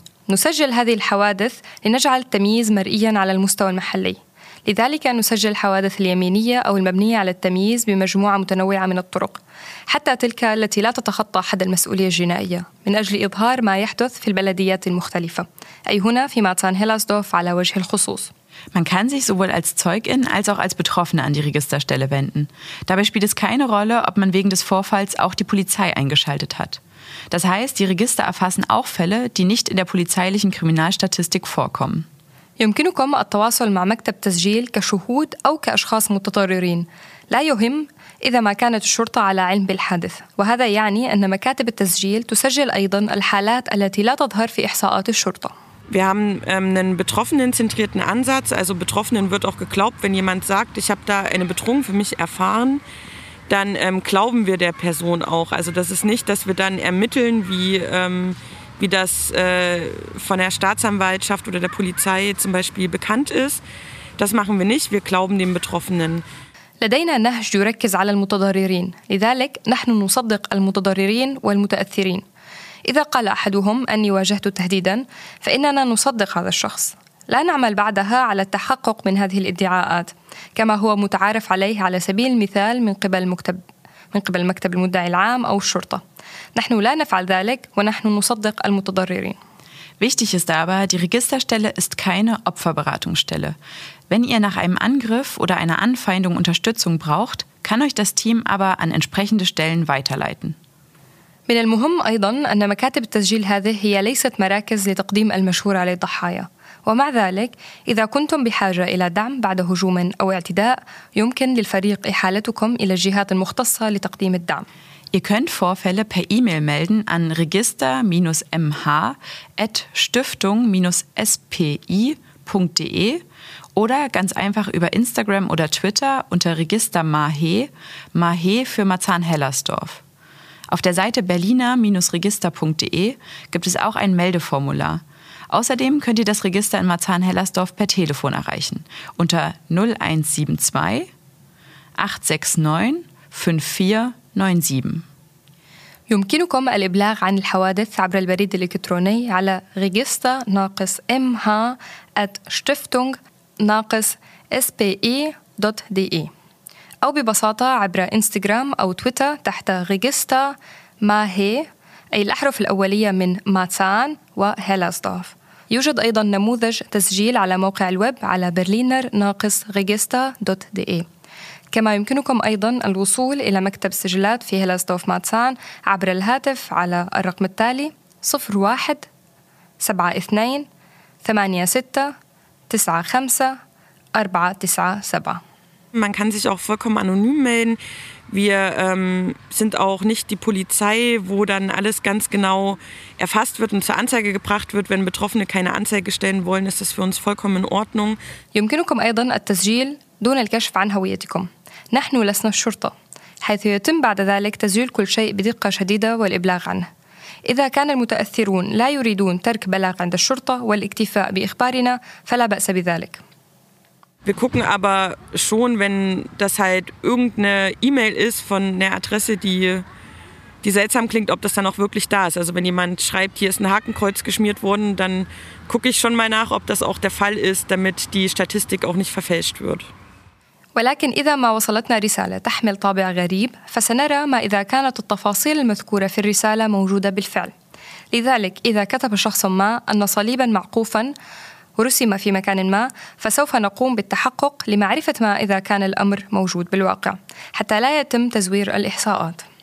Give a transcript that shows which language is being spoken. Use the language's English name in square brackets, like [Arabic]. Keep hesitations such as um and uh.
[Arabic] نسجل هذه الحوادث لنجعل التمييز مرئيا على المستوى المحلي لذلك نسجل الحوادث اليمينية أو المبنية على التمييز بمجموعة متنوعة من الطرق حتى تلك التي لا تتخطى حد المسؤولية الجنائية من أجل إظهار ما يحدث في البلديات المختلفة أي هنا في ماتسان هيلاسدورف على وجه الخصوص [German] Man kann sich sowohl als Zeugin als auch als Betroffene an die Registerstelle wenden. Dabei spielt es keine Rolle, ob man wegen des Vorfalls auch die Polizei eingeschaltet hat. Das heißt, die Register erfassen auch Fälle, die nicht in der polizeilichen Kriminalstatistik vorkommen. [Arabic] يمكنكم التواصل مع مكتب تسجيل كشهود أو كأشخاص متضررين لا يهم إذا ما كانت الشرطة على علم بالحادث وهذا يعني أن مكاتب التسجيل تسجل أيضا الحالات التي لا تظهر في إحصاءات الشرطة [German] Wir haben ähm, einen betroffenenzentrierten Ansatz. Also Betroffenen wird auch geglaubt, wenn jemand sagt, ich habe da eine Bedrohung für mich erfahren, dann ähm, glauben wir der Person auch. Also das ist nicht, dass wir dann ermitteln, wie, ähm, wie das äh, von der Staatsanwaltschaft oder der Polizei zum Beispiel bekannt ist. Das machen wir nicht. Wir glauben dem Betroffenen. [Arabic] لدينا نهج يركز على المتضررين لذلك نحن نصدق المتضررين والمتأثرين إذا قال أحدهم أني واجهت تهديدا فإننا نصدق هذا الشخص لا نعمل بعدها على التحقق من هذه الادعاءات كما هو متعارف عليه على سبيل المثال من قبل مكتب من قبل مكتب المدعي العام أو الشرطة نحن لا نفعل ذلك ونحن نصدق المتضررين [German] Wichtig ist aber, die Registerstelle ist keine Opferberatungsstelle. Wenn ihr nach einem Angriff oder einer Anfeindung Unterstützung braucht, kann euch das Team aber an entsprechende Stellen weiterleiten. [Arabic] من المهم أيضا أن مكاتب التسجيل هذه هي ليست مراكز لتقديم المشهور على الضحايا ومع ذلك إذا كنتم بحاجة إلى دعم بعد هجوم أو اعتداء يمكن للفريق إحالتكم إلى الجهات المختصة لتقديم الدعم [German] Ihr könnt Vorfälle per E-Mail melden an register-mh.stiftung-spi.de oder ganz einfach über Instagram oder Twitter unter Register Mahe, Mahe für Marzahn-Hellersdorf. Auf der Seite berliner-register.de gibt es auch ein Meldeformular. Außerdem könnt ihr das Register in Marzahn-Hellersdorf per Telefon erreichen unter 0172 869 5497. [Arabic] يمكنكم الإبلاغ عن الحوادث عبر البريد الإلكتروني على ريجيستا ناقص mh at stiftung ناقص spe.de أو ببساطة عبر إنستغرام أو تويتر تحت ريجيستا ما هي أي الأحرف الأولية من ماتسان وهيلاسدورف يوجد أيضا نموذج تسجيل على موقع الويب على برلينر ناقص ريجيستا دوت دي اي كما يمكنكم أيضا الوصول إلى مكتب سجلات في هيلاسدورف ماتسان عبر الهاتف على الرقم التالي 01 72 86 95 497 [German] Man kann sich auch vollkommen anonym melden. Wir ähm, sind auch nicht die Polizei, wo dann alles ganz genau erfasst wird und zur Anzeige gebracht wird. Wenn Betroffene keine Anzeige stellen wollen, ist das für uns vollkommen in Ordnung. [Arabic] يمكنكم أيضا التسجيل دون الكشف عن هويتكم نحن لسنا الشرطة حيث يتم بعد ذلك تسجيل كل شيء بدقة شديدة والإبلاغ عنه إذا كان المتأثرون لا يريدون ترك بلاغ عند الشرطة والاكتفاء بإخبارنا فلا بأس بذلك [German] Wir gucken aber schon, wenn das halt irgendeine E-Mail ist von einer Adresse, die, die seltsam klingt, ob das dann auch wirklich da ist. Also wenn jemand schreibt, hier ist ein Hakenkreuz geschmiert worden, dann gucke ich schon mal nach, ob das auch der Fall ist, damit die Statistik auch nicht verfälscht wird. [Arabic] ولكن إذا ما وصلتنا رسالة تحمل طابع غريب فسنرى ما إذا كانت التفاصيل المذكورة في الرسالة موجودة بالفعل لذلك إذا كتب شخص ما أن صليبا معقوفا رسم في مكان ما فسوف نقوم بالتحقق لمعرفة ما إذا كان الأمر موجود بالواقع حتى لا يتم تزوير الإحصاءات